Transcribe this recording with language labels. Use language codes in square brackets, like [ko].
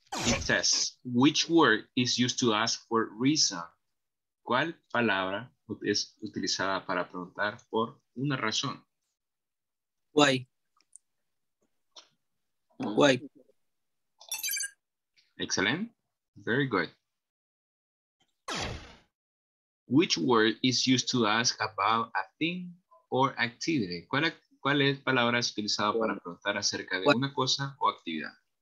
[en] It says, which word is used to ask for reason? [es] ¿Cuál palabra es utilizada para preguntar por una razón? [en] Why? Why? Excellent. Very good. Which word is used to ask about a thing or activity? [es] ¿Cuál es palabra es utilizada para preguntar acerca de una cosa o actividad?